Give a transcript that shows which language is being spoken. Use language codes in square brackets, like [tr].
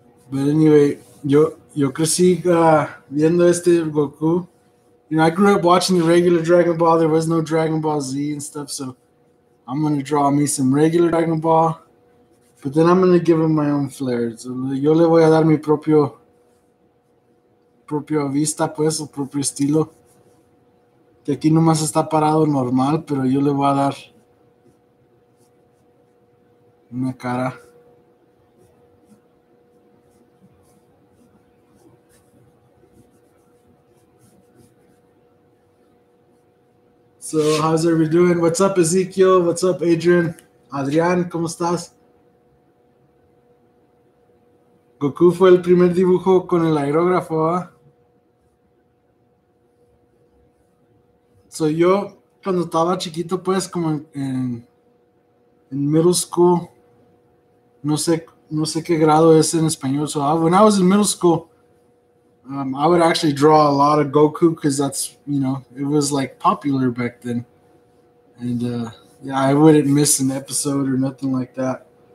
[en] But anyway, [es] yo crecí viendo este Goku. [en] You know, I grew up watching the regular Dragon Ball. There was no Dragon Ball Z and stuff, so I'm going to draw me some regular Dragon Ball. But then I'm going to give him my own flair. [es] So yo le voy a dar mi propio vista, pues, o propio estilo. Que aquí nomás está parado normal, pero yo le voy a dar una cara. [en] So, how's everybody doing? What's up, Ezekiel? What's up, Adrian? [es] Adrian, ¿cómo estás? Goku fue el primer dibujo con el aerógrafo, ¿eh? So, yo, cuando estaba chiquito, pues, como en [en] middle school, [es] no sé qué grado es en español. [en] So, when I was in middle school, I would actually draw a lot of Goku because that's, you know, it was like popular back then. And yeah, I wouldn't miss an episode or nothing like that.